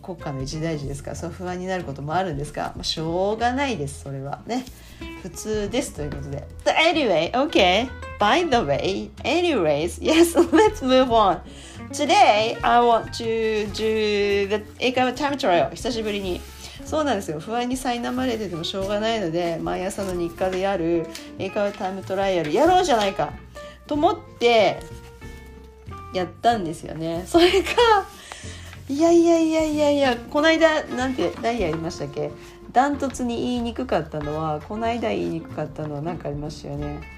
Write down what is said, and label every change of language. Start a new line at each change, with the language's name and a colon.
Japanese: 国家の一大事ですから、そう不安になることもあるんですが、まあ、しょうがないです。それはね。普通ですということで。
English: But、anyway, okay. By the way, anyways, yes, let's move on. Today, I want to do the 英会話 time trial.
Japanese: 久しぶりに。そうなんですよ、不安に苛まれててもしょうがないので、毎朝の日課でやる英会話タイムトライアルやろうじゃないかと思ってやったんですよね。それが、いやいやいやいやいや、この間なんて何やりましたっけ、ダントツに言いにくかったのは、この間言いにくかったのは何かありましたよね。